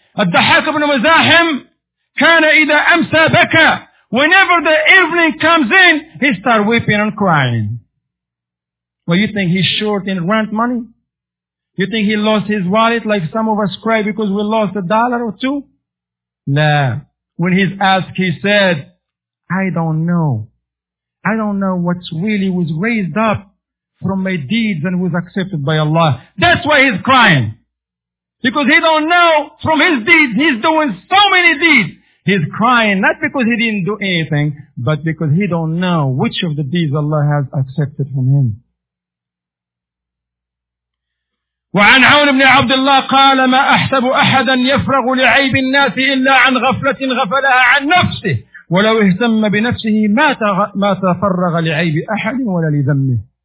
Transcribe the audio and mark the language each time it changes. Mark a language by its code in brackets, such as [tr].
[ar] الضحاك بن مزاحم كان إذا أمسى بكى. [en] Whenever the evening comes in, he start weeping and crying. Well, you think he's short in rent money? You think he lost his wallet like some of us cry because we lost a dollar or two? Nah. When he's asked, he said, I don't know. I don't know what really was raised up from my deeds and was accepted by Allah. That's why he's crying. Because he don't know from his deeds. He's doing so many deeds. He's crying not because he didn't do anything, but because he don't know which of the deeds Allah has accepted from him. [ar] وعن عون بن عبد الله قال ما أحسب أحدا يفرغ لعيب الناس إلا عن غفلة غفلها عن نفسه ولو اهتم بنفسه ما تفرغ لعيب أحد ولا لذمه.